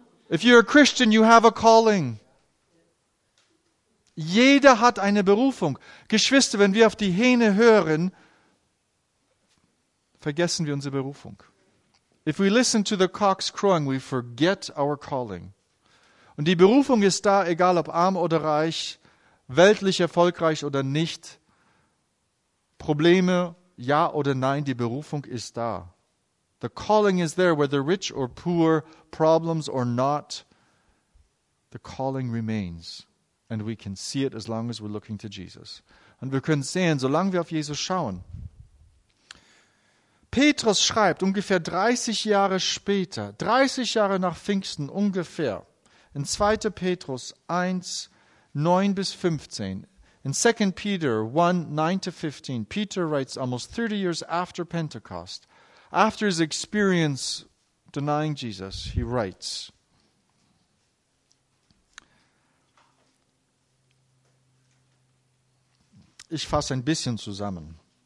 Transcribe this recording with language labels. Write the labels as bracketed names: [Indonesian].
[English] If you're a Christian, you have a calling. [German] Jeder hat eine Berufung. Geschwister, wenn wir auf die Hähne hören, vergessen wir unsere Berufung. [English] If we listen to the cocks crowing, we forget our calling. [German] Und die Berufung ist da, egal ob arm oder reich, weltlich erfolgreich oder nicht. Probleme, ja oder nein, die Berufung ist da. [English] The calling is there, whether rich or poor, problems or not. The calling remains. And we can see it as long as we're looking to Jesus. [German] Und wir können sehen, solange wir auf Jesus schauen. Petrus schreibt ungefähr 30 Jahre später, 30 Jahre nach Pfingsten ungefähr, in 2. Petrus 1, 9 bis 15, in 2. [English] Peter 1, 9 to 15, Peter writes almost 30 years after Pentecost, after his experience denying Jesus, he writes, [German] ich fasse ein bisschen zusammen.